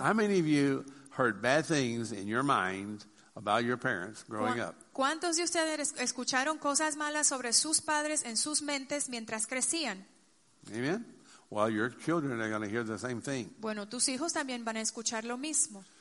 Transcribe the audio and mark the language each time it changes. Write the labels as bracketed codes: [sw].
[en] How many of you heard bad things in your mind about your parents growing up? [es] ¿Cuántos de ustedes escucharon cosas malas sobre sus padres en sus mentes mientras crecían? [en] Amen. Well, your children are going to hear the same thing. [es] Bueno, tus hijos también van a escuchar lo mismo.